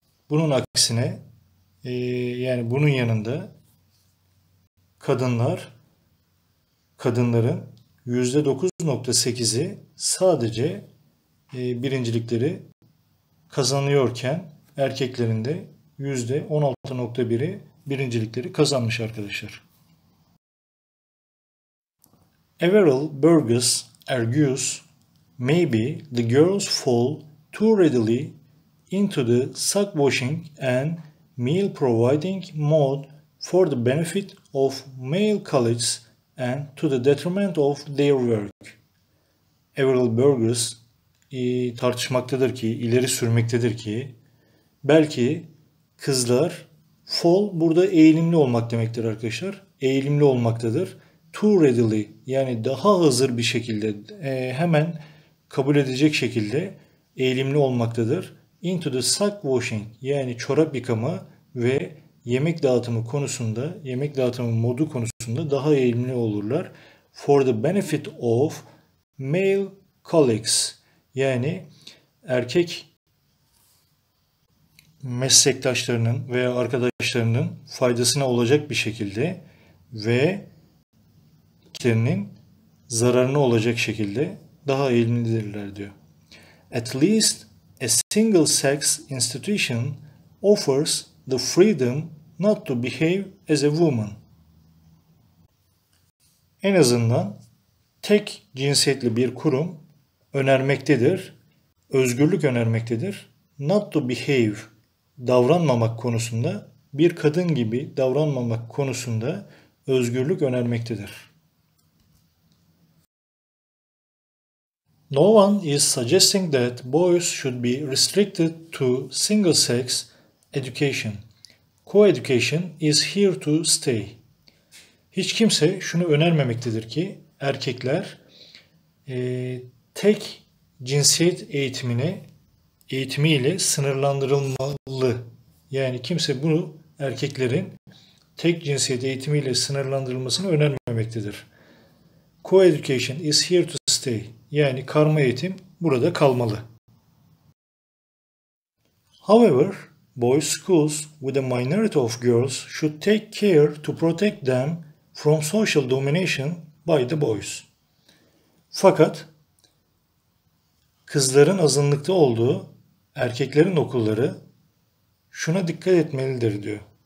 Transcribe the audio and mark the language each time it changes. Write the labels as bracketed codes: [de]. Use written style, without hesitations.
[tr] Bunun aksine, yani bunun yanında kadınların %9.8'i sadece birincilikleri kazanıyorken erkeklerin de %16.1'i birincilikleri kazanmış arkadaşlar. [en] Averill Burgess argues, maybe the girls fall too readily into the sock washing and meal providing mode for the benefit of male colleagues and to the detriment of their work. [tr] Averill Burgess tartışmaktadır ki, ileri sürmektedir ki, belki kızlar, fall burada eğilimli olmak demektir arkadaşlar, eğilimli olmaktadır. [en] Too readily, [tr] yani daha hazır bir şekilde, hemen kabul edecek şekilde eğilimli olmaktadır. [en] Into the sock washing, [tr] yani çorap yıkama ve yemek dağıtımı konusunda, yemek dağıtımı modu konusunda daha eğilimli olurlar. [en] For the benefit of male colleagues, [tr] yani erkek meslektaşlarının veya arkadaşlarının faydasına olacak bir şekilde ve kendilerinin zararına olacak şekilde daha eğilimlidirler diyor. [en] At least a single sex institution offers the freedom not to behave as a woman. [tr] En azından tek cinsiyetli bir kurum önermektedir, özgürlük önermektedir. [en] Not to behave, [tr] davranmamak konusunda, bir kadın gibi davranmamak konusunda özgürlük önermektedir. [en] No one is suggesting that boys should be restricted to single-sex education. Co-education is here to stay. [tr] Hiç kimse şunu önermemektedir ki erkekler tek cinsiyet eğitimiyle sınırlandırılmalı. Yani kimse bunu, erkeklerin tek cinsiyet eğitimiyle sınırlandırılmasını önermemektedir. [en] Co-education is here to stay. [tr] Yani karma eğitim burada kalmalı. [en] However, boys' schools with a minority of girls should take care to protect them from social domination by the boys. [tr] Fakat kızların azınlıkta olduğu erkeklerin okulları şuna dikkat etmelidir diyor.